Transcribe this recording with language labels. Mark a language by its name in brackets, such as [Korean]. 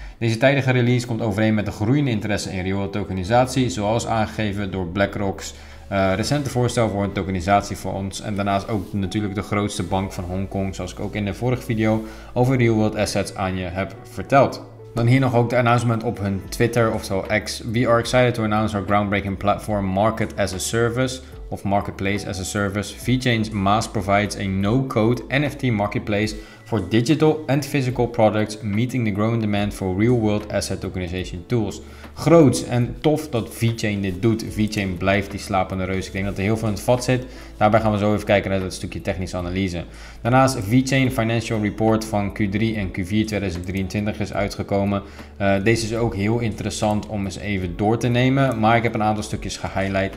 [Dutch] Deze tijdige release komt overeen met de groeiende interesse in real world tokenisatie zoals aangegeven door BlackRock's recente voorstel voor een tokenisatie voor ons en daarnaast ook natuurlijk de grootste bank van Hongkong zoals ik ook in de vorige video over real world assets aan je heb verteld. Dan hier nog ook de announcement op hun Twitter, oftewel X. [English] We are excited to announce our groundbreaking platform Market as a Service of Marketplace as a Service. VeChain's Maas provides a no-code NFT marketplace for digital and physical products, meeting the growing demand for real-world asset tokenization tools. [Dutch] Groots en tof dat VeChain dit doet. VeChain blijft die slapende reus. Ik denk dat er heel veel in het vat zit. Daarbij gaan we zo even kijken naar dat stukje technische analyse. Daarnaast VeChain Financial Report van Q3 en Q4 2023 is uitgekomen. Deze is ook heel interessant om eens even door te nemen. Maar ik heb een aantal stukjes gehighlight.